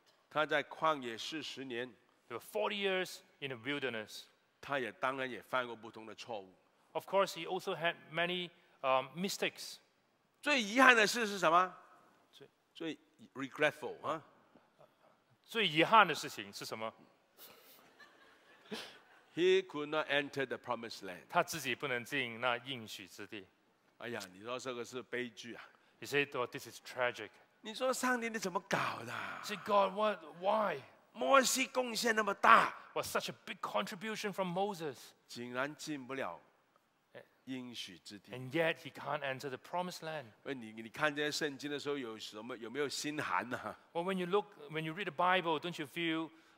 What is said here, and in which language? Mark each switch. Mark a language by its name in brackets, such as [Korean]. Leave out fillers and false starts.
[Chinese] 他在旷野四十年。 [English] There were 40 years in the wilderness. [Chinese] 他也当然也犯过不同的错误。 [English] Of course, he also had many mistakes. [Chinese] 最遗憾的事是什么？最 [English] regretful [Chinese] 啊？最遗憾的事情是什么 [English] ？He could not enter the promised land. [Chinese] 他自己不能进那应许之地。哎呀，你说这个是悲剧啊 [English] ？He said, "Oh, this is tragic." [Chinese] 你说上帝你怎么搞的 [English] ？Say God, what? Why? [Chinese] 摩西贡献那么大 [English] was such a big contribution from Moses. [Chinese] 竟然进不了应许之地 [English] And yet he can't enter the promised land. [Chinese] 你看这些圣经的时候有什么有没有心寒呢 [English] Well, when you read the Bible, don't you feel